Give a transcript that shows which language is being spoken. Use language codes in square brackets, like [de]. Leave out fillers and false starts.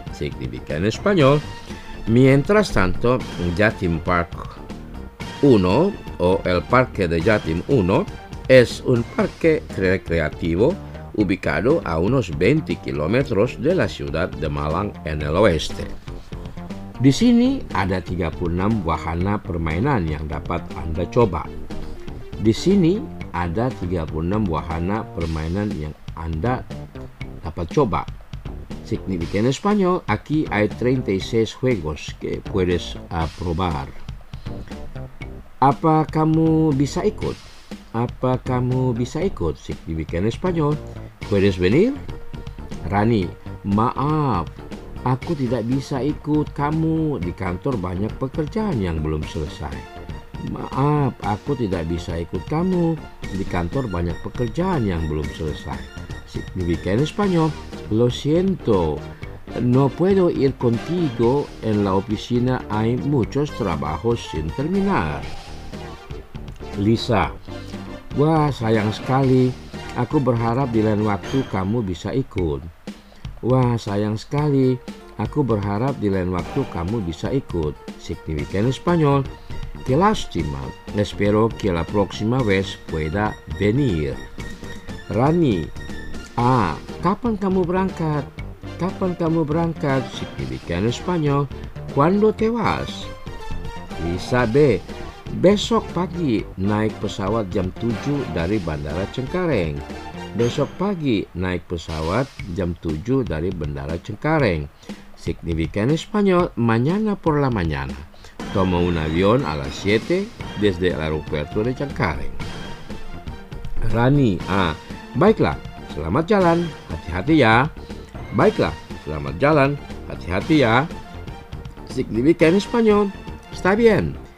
[es] Significa en español. Mientras tanto, Yatim Park 1 o el Parque de Yatim 1 es un parque recreativo ubicado a unos 20 kilómetros de la ciudad de Malang en el oeste. [id] Di sini ada 36 wahana permainan yang dapat Anda coba. Di sini ada 36 wahana permainan yang Anda dapat coba. [es] Significa en español, aquí hay 36 juegos que puedes probar. [id] Apa kamu bisa ikut? Apa kamu bisa ikut? [es] Significa en español, puedes venir? [id] Rani, maaf, aku tidak bisa ikut kamu. Di kantor banyak pekerjaan yang belum selesai. Maaf, aku tidak bisa ikut kamu. Di kantor banyak pekerjaan yang belum selesai. [es] Significa en español, lo siento, no puedo ir contigo. En la oficina hay muchos trabajos sin terminar. [id] Lisa, wah sayang sekali, aku berharap di lain waktu kamu bisa ikut. Wah sayang sekali, aku berharap di lain waktu kamu bisa ikut. [es] Significa en español, qué lástima, espero que la próxima vez pueda venir. [id] Rani, kapan kamu berangkat? Kapan kamu berangkat? [es] Significa en español, ¿cuándo te vas? [id] Lisa B, besok pagi naik pesawat jam 7 dari Bandara Cengkareng. Besok pagi naik pesawat jam 7 dari Bandara Cengkareng. [es] Significa en español, mañana por la mañana. Tomo un avión a las 7 desde el aeropuerto de Cengkareng. [id] Rani, baiklah, selamat jalan, hati-hati ya. Baiklah, selamat jalan, hati-hati ya. [es] Significa en español, está bien.